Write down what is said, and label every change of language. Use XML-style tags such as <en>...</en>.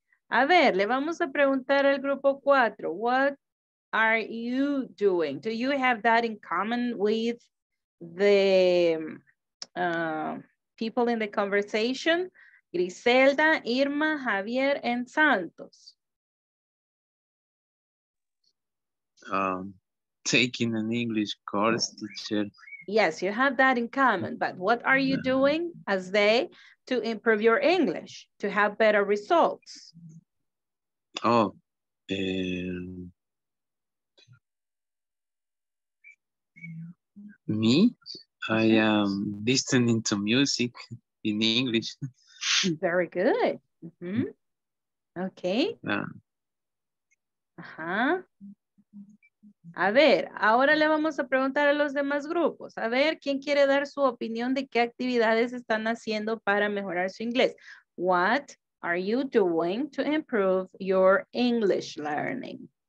<es>A ver, le vamos a preguntar al grupo cuatro.</es> <en>What are you doing? Do you have that in common with the people in the conversation? Griselda, Irma, Javier, and Santos. Taking an English course, teacher. Yes, you have that in common, but what are you doing as they to improve your English, to have better results? Me? I am listening to music in English. Very good. Mm-hmm. Okay. Uh-huh.</en> <es>A ver, ahora le vamos a preguntar a los demás grupos. A ver, ¿quién quiere dar su opinión de qué actividades están haciendo para mejorar su inglés?</es> <en>What are you doing to improve your English learning?</en>